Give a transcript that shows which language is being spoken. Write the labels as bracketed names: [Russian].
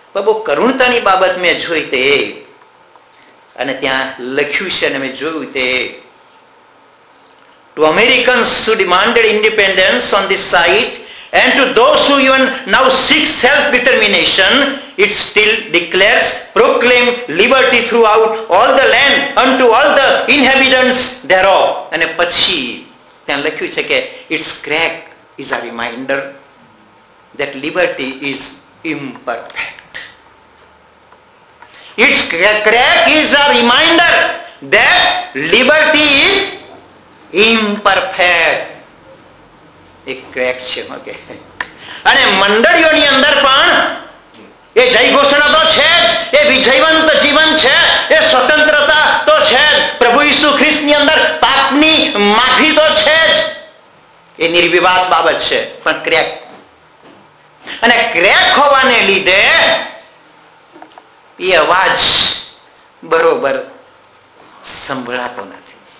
[Gujarati] બહુ કરુણતાની બાબત મેં જોઈ તે, અને ત્યાં લખ્યું છે અને મેં જોયું તે, [English] To Americans who demanded independence on this site and to those who even now seek self determination it still declares proclaim liberty throughout all the land unto all the inhabitants thereof. [Gujarati] અને પછી ત્યાં લખ્યું છે કે [English] its crack is a reminder that liberty is imperfect, its crack is a reminder that liberty is imperfect. [Gujarati] એક crack છે, okay. અને મંડળીઓની અંદર પણ એ જય ઘોષણા તો છે જ, એ વિજયવંત જીવન છે, એ સ્વતંત્રતા તો છે જ, પ્રભુ ઈસુ ખ્રિસ્તની અંદર પાપની માફી તો છે જ, એ નિર્વિવાદ બાબત છે, પણ ક્રેક, અને ક્રેક હોવાને લીધે એ અવાજ બરોબર સંભળાતો નથી.